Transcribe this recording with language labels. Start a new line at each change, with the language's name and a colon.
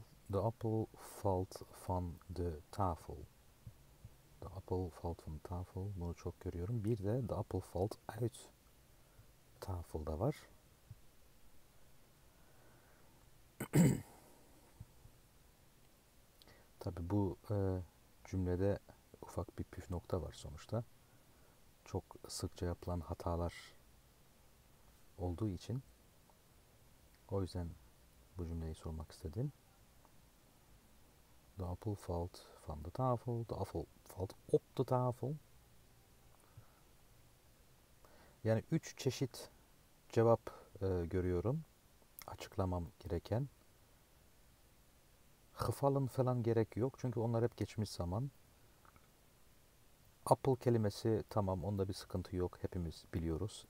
English: The apple fell from the table. The apple fell from the table.
Turkish: Bunu çok görüyorum. Bir de
English: the apple fell out table'da
Turkish: var. Tabi bu cümlede ufak bir püf nokta var sonuçta. Çok sıkça yapılan hatalar olduğu için o yüzden bu cümleyi sormak istedim.
English: The apple fell from the table. The apple fell off the table.
Turkish: Yani üç çeşit cevap görüyorum. Açıklamam gereken. Gefallen falan gerek yok çünkü onlar hep geçmiş zaman. Apple kelimesi tamam, onda bir sıkıntı yok, hepimiz biliyoruz.